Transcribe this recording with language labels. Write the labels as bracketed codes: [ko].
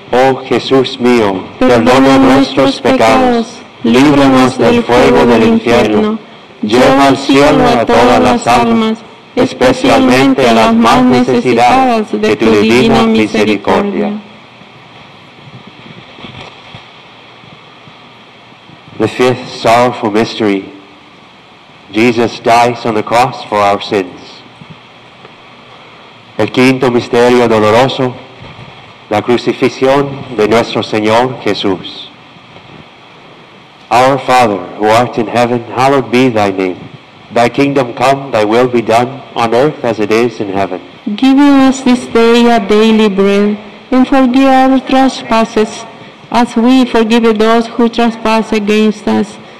[es] Oh Jesús mío, perdona nuestros pecados, líbranos del fuego del infierno. Lleva al cielo a todas las almas, especialmente a las más necesitadas de tu divina misericordia. [en] The fifth sorrowful mystery, Jesus dies on the cross for our sins. [es] El quinto misterio doloroso, la crucifixión de nuestro Señor Jesús. [en] Our Father, who art in heaven, hallowed be thy name. Thy kingdom come, thy will be done, on earth as it is in heaven. Give us this day our daily bread, and forgive our trespasses, as we forgive those who trespass against us.